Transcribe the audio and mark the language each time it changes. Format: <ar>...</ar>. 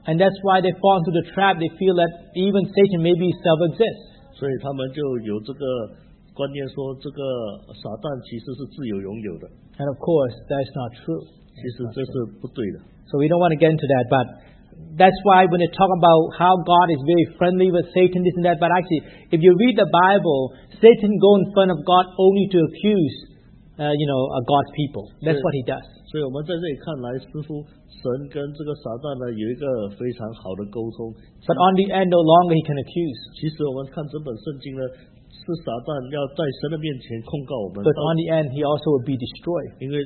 <en>And that's why they fall into the trap, they feel that even Satan maybe self exists.</en> <zh>所以他们就有这个。观念说这个撒旦其实是自由拥有的，</zh> <en>and of course that's not true.</en> <zh>其实这是不对的。</zh> <en>So we don't want to get into that, but that's why when you talk about how God is very friendly with Satan, this and that, but actually if you read the Bible, Satan go in front of God only to accuse God's people. That's what he does.</en> <zh>所以我们在这里看来，似乎神跟这个撒旦呢有一个非常好的沟通。</zh> <en>But on the end, no longer he can accuse.</en> <zh>其实我们看整本圣经呢， 是撒旦要在神的面前控告我们，</zh> <en>but on the end he also will be destroyed.</en>